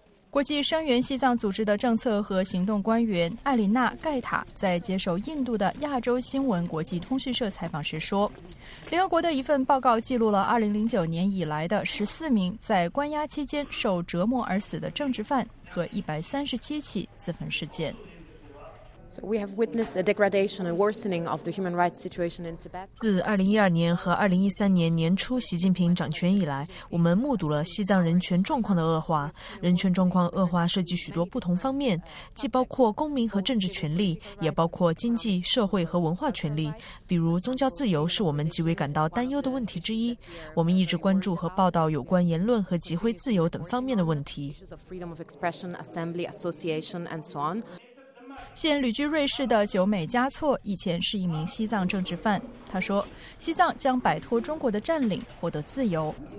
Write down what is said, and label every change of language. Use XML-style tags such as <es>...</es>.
<zh>国际声援西藏组织的政策和行动官员艾琳娜·盖塔在接受印度的亚洲新闻国际通讯社采访时说，联合国的一份报告记录了2009年以来的14名在关押期间受折磨而死的政治犯和137起自焚事件。</zh> <en>So we have witnessed a degradation and worsening of the human rights situation in Tibet.</en> <zh>自2012年和2013年年初习近平掌权以来，我们目睹了西藏人权状况的恶化。人权状况恶化涉及许多不同方面，既包括公民和政治权利，也包括经济、社会和文化权利。比如宗教自由是我们极为感到担忧的问题之一。我们一直关注和报道有关言论和集会自由等方面的问题。</zh> <en>Freedom of expression, assembly, association, and so on.</en> <zh>现旅居瑞士的久美加措以前是一名西藏政治犯，他说西藏将摆脱中国的占领，获得自由。</zh>